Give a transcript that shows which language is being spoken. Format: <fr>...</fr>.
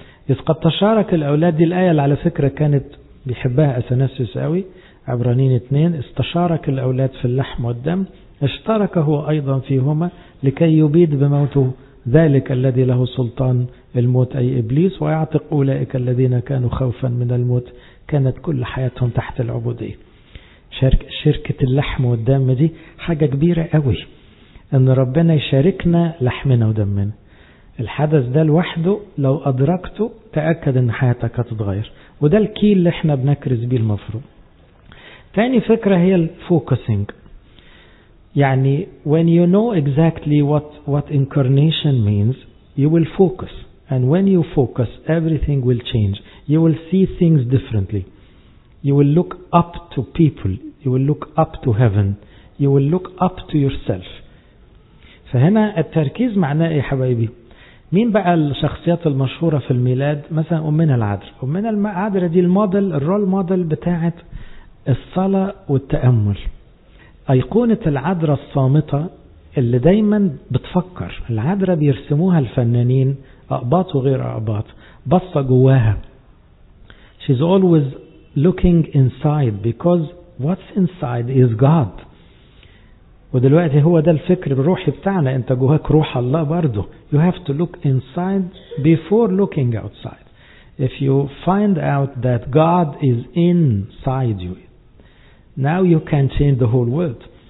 <ar>إذ قد تشارك الأولاد، دي الآية اللي على فكرة كانت بيحبها أثناسيوس قوي، عبرانين 2، استشارك الأولاد في اللحم والدم، اشترك هو أيضا فيهما لكي يبيد بموته ذلك الذي له سلطان الموت أي إبليس، ويعتق أولئك الذين كانوا خوفا من الموت كانت كل حياتهم تحت العبودية. شركة اللحم والدم دي حاجة كبيرة قوي، أن ربنا يشاركنا لحمنا ودمنا. الحدث ده لوحده لو أدركته تأكد أن حياتك هتتغير، وده الكي اللي احنا بنكرز بيه المفروض. تاني فكرة هي الفوكسينج، يعني</ar> <en>when you know exactly what incarnation means you will focus, and when you focus everything will change, you will see things differently, you will look up to people, you will look up to heaven, you will look up to yourself.</en> <ar>فهنا التركيز معناه ايه يا حبايبي؟ مين بقى الشخصيات المشهورة في الميلاد؟ مثلا أمنا العذراء. أمنا العذراء دي الموديل، الرول موديل بتاعة الصلاة والتأمل، أيقونة العذراء الصامتة اللي دايما بتفكر. العذراء بيرسموها الفنانين أقباط وغير أقباط، بصة جواها.</ar> <en>She's always looking inside because what's inside is God.</en> <ar>ودلوقتي هو ده الفكر الروحي بتاعنا، انت جواك روح الله برضه.</ar> <en>You have to look inside before looking outside. If you find out that God is inside you, now you can change the whole world.</en>